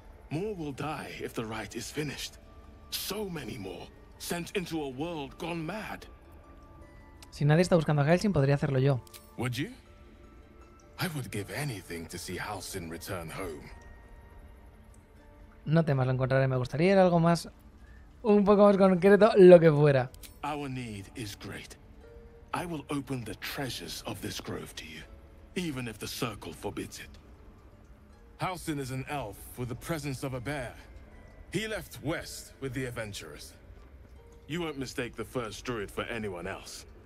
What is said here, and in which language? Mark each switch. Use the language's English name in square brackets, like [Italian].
[English] More will die if the rite is finished. So many more sent into a world gone mad. [Spanish] Si nadie está buscando a Halsin, podría hacerlo yo. [English] Would you? I would give anything to see Halsin return home. [Spanish] No temas, lo encontraré. Me gustaría ir a algo más, un poco más concreto, lo que fuera. [English] Our need is great. I will open the treasures of this grove to you, even if the circle forbids it. Halsin is an elf with the presence of a bear. He left west with the adventurers. You won't mistake the first druid for anyone else.